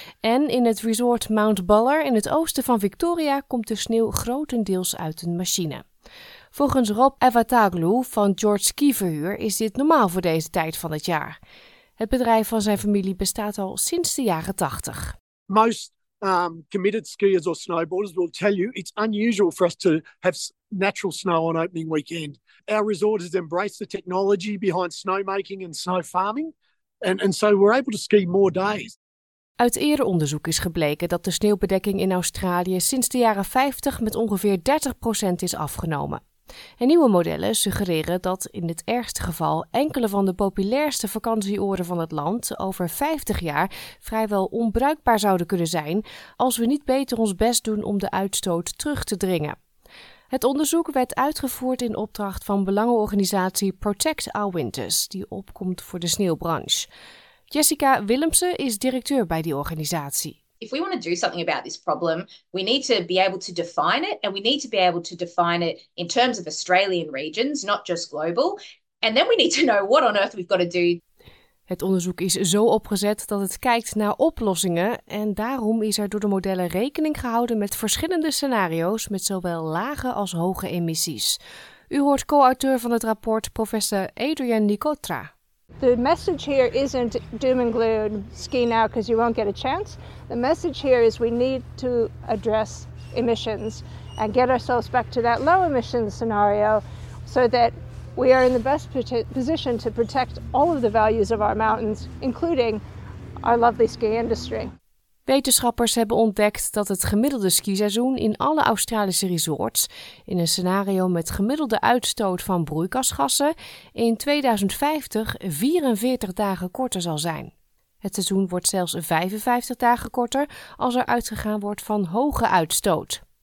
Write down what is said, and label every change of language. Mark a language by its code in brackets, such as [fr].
[nl] En in het resort Mount Buller in het oosten van Victoria komt de sneeuw grotendeels uit een machine. Volgens Rob Avataglu van George Ski Verhuur is dit normaal voor deze tijd van het jaar. Het bedrijf van zijn familie bestaat al sinds de jaren 80. [en] Most committed skiers or snowboarders will tell you it's unusual for us to have natural snow on opening weekend. Our resort has embraced the technology behind snowmaking and snow farming, and so we're able to ski more days. [nl] Uit eerder onderzoek is gebleken dat de sneeuwbedekking in Australië sinds de jaren 50 met ongeveer 30% is afgenomen. En nieuwe modellen suggereren dat in het ergste geval enkele van de populairste vakantieoorden van het land over 50 jaar vrijwel onbruikbaar zouden kunnen zijn als we niet beter ons best doen om de uitstoot terug te dringen. Het onderzoek werd uitgevoerd in opdracht van belangenorganisatie Protect Our Winters, die opkomt voor de sneeuwbranche. Jessica Willemsen is directeur bij die organisatie. [en] If we want to do something about this problem, we need to be able to define it, and we need to be able to define it in terms of Australian regions, not just global. And then we need to know what on earth we've got to do. [nl] Het onderzoek is zo opgezet dat het kijkt naar oplossingen en daarom is er door de modellen rekening gehouden met verschillende scenario's met zowel lage als hoge emissies. U hoort co-auteur van het rapport, professor Adrian Nicotra. [en] The message here isn't doom and gloom, ski now because you won't get a chance. The message here is we need to address emissions and get ourselves back to that low emissions scenario so that we are in the best position to protect all of the values of our mountains, including our lovely ski industry. [nl] Wetenschappers hebben ontdekt dat het gemiddelde skiseizoen in alle Australische resorts in een scenario met gemiddelde uitstoot van broeikasgassen in 2050 44 dagen korter zal zijn. Het seizoen wordt zelfs 55 dagen korter als er uitgegaan wordt van hoge uitstoot.